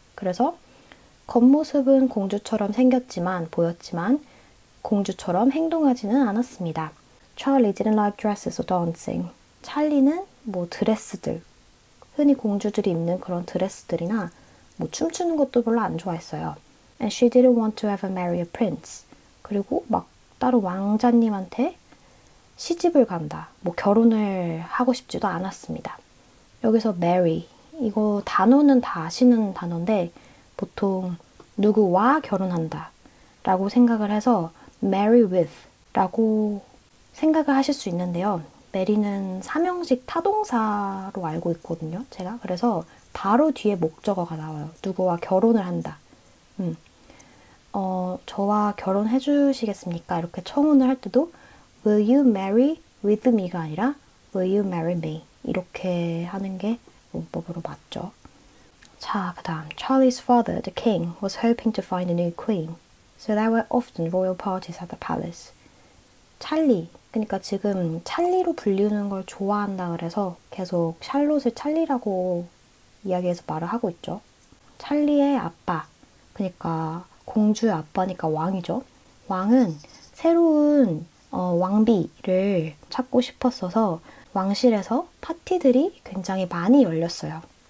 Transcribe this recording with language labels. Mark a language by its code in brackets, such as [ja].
[ko] 그래서 겉모습은 공주처럼 생겼지만 보였지만 공주처럼 행동하지는 않았습니다. [en] Charlie didn't like dresses or dancing. [ko] 찰리는 뭐 드레스들, 흔히 공주들이 입는 그런 드레스들이나 뭐 춤추는 것도 별로 안 좋아했어요. [en] And she didn't want to ever marry a prince. [ko] 그리고 막 따로 왕자님한테 시집을 간다, 뭐 결혼을 하고 싶지도 않았습니다. 여기서 marry 이거 단어는 다 아시는 단어인데 보통 누구와 결혼한다 라고 생각을 해서 [en] marry with [ko] 라고 생각을 하실 수 있는데요. marry는 삼형식 타동사로 알고 있거든요. 제가. 그래서 바로 뒤에 목적어가 나와요. 누구와 결혼을 한다. 저와 결혼해 주시겠습니까? 이렇게 청혼을 할 때도 [en] will you marry with me가 아니라 will you marry me? [ko] 이렇게 하는 게 문법으로 맞죠. 자, 그다음 [en] Charlie's father, the king, was hoping to find a new queen. So there were often royal parties at the palace. [ko] 찰리, 그러니까 지금 찰리로 불리는 걸 좋아한다 그래서 계속 샬롯을 찰리라고 이야기해서 말을 하고 있죠. 찰리의 아빠, 그러니까 공주의 아빠니까 왕이죠. 왕은 새로운 왕비를 찾고 싶었어서 왕실에서 파티들이 굉장히 많이 열렸어요.